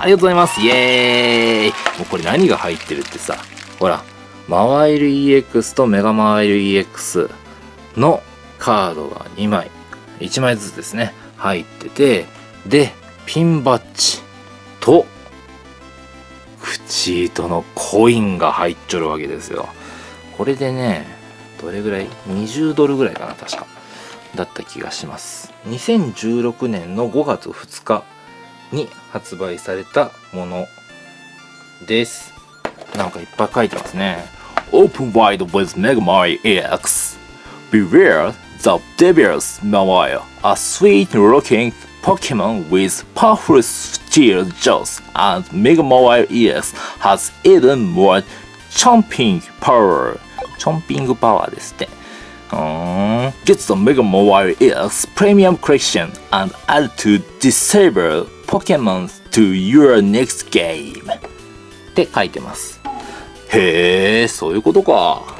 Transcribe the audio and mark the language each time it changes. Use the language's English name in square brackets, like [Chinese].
[Japanese] ありがとうございます。イエーイ。もうこれ何が入ってるってさ、ほら、モバイル EX とメガモバイル EX のカードが2枚、1枚ずつですね、入ってて、で、ピンバッジとクチートのコインが入っちょるわけですよ。これでね、どれぐらい ?20 ドルぐらいかな、確か。だった気がします。2016年の5月2日に発売されたものです。なんかいっぱい書いてますね。 [English] Open wide with Megamai EX. Beware the devil's Mawile. A sweet looking Pokemon with powerful steel jaws. And Megamai EX has even more chomping power. [Japanese] チョンピングパワーですって。 [English] Get the Mega Mobile EX Premium Collection and add to disable Pokemon to your next game. [Japanese] って書いてます。へえ、そういうことか